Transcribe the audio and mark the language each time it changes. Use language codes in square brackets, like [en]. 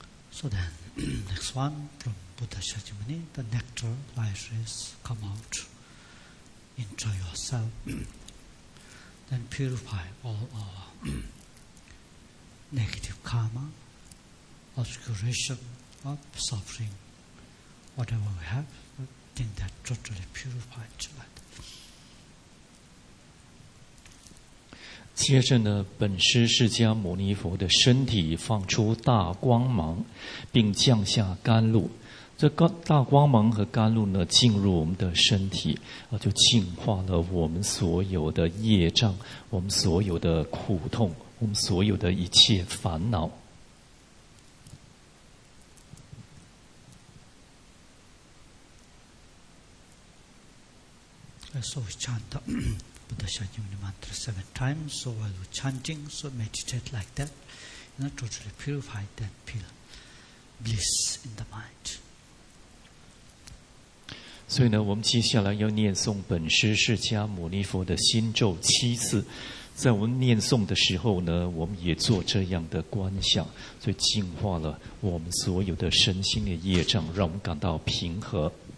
[en] So then, next one from Buddha Shakyamuni, the nectar rises, come out, enjoy yourself, then purify all our negative karma, obscuration of suffering, whatever we have, the thing that totally purified. [zh] 接着呢，本师释迦牟尼佛的身体放出大光芒，并降下甘露。这大光芒和甘露呢，进入我们的身体，就净化了我们所有的业障，我们所有的苦痛，我们所有的一切烦恼。 [en] So we chant the Buddha Shakyamuni mantra 7 times. So while we're chanting, so meditate like that. You know, totally purify that, feel bliss in the mind. [zh] 所以呢，我们接下来要念诵本师释迦牟尼佛的心咒七次。在我们念诵的时候呢，我们也做这样的观想，所以净化了我们所有的身心的业障，让我们感到平和。